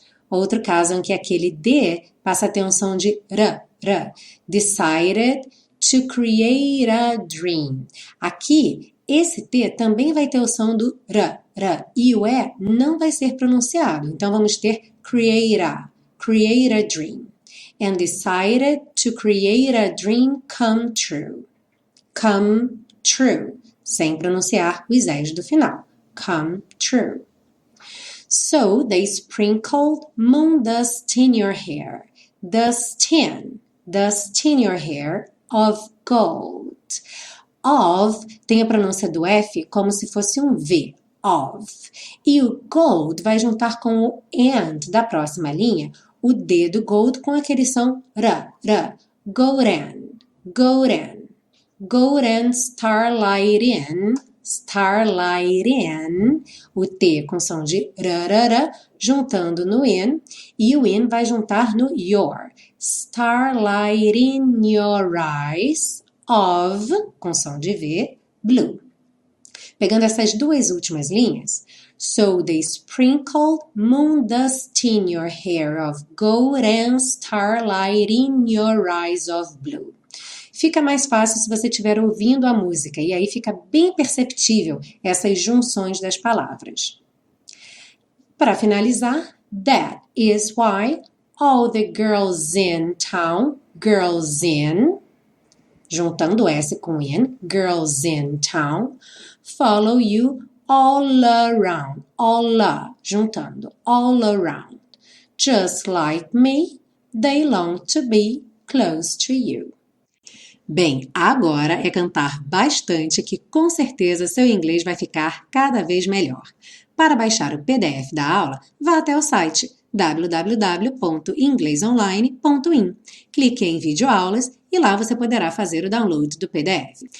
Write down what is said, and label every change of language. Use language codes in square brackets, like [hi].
[pt] Outro caso em que aquele D passa a ter um som de R, R. [en] Decided to create a dream. [pt] Aqui, esse T também vai ter o som do R, R. E o E não vai ser pronunciado. Então, vamos ter [en] create a dream. And decided to create a dream come true. Come true. [pt] Sem pronunciar os S do final. [en] Come true. So they sprinkled moon dust in your hair. Dust in your hair of gold. [pt] Of tem a pronúncia do F como se fosse um V. Of. E o gold vai juntar com o and da próxima linha, o D do gold com aquele som R, R. [en] Golden, golden. Golden starlight in. Starlight in, [pt] o T com som de rarara, juntando no in, e o in vai juntar no your. [en] Starlight in your eyes of, [pt] com som de V, blue. Pegando essas duas últimas linhas, [en] So they sprinkled moon dust in your hair of gold and starlight in your eyes of blue. [pt] Fica mais fácil se você estiver ouvindo a música, e aí fica bem perceptível essas junções das palavras. Para finalizar, [en] that is why all the girls in town, girls in, [pt] juntando S com in, [en] girls in town, follow you all around, all around, juntando, all around, just like me, they long to be close to you. [pt] Bem, agora é cantar bastante que com certeza seu inglês vai ficar cada vez melhor. Para baixar o PDF da aula, vá até o site www.inglesonline.in. Clique em videoaulas e lá você poderá fazer o download do PDF.